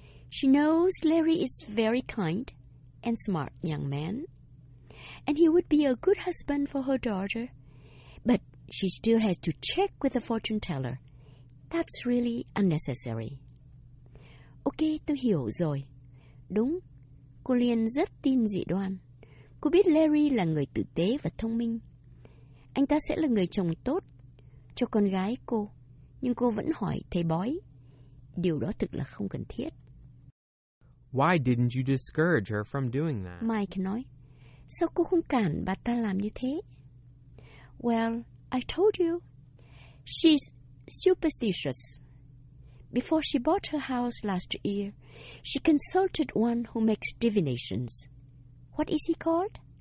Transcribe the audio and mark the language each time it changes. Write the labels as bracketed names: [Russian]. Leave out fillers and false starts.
[English] She knows Larry is very kind and smart young man, and he would be a good husband for her daughter. But she still has to check with the fortune teller. That's really unnecessary. Okay, [Vietnamese] tôi hiểu rồi. Đúng, cô Liên rất tin dị đoan. Cô biết Larry là người tử tế và thông minh. Anh ta sẽ là người chồng tốt cho con gái cô. Nhưng cô vẫn hỏi thầy bói. Điều đó thực là không cần thiết. [English] Why didn't you discourage her from doing that? [Vietnamese] Mike nói, sao cô không cản bà ta làm như thế? [English] Well, I told you. She's superstitious. Before she bought her house last year, she consulted one who makes divinations. What is he called?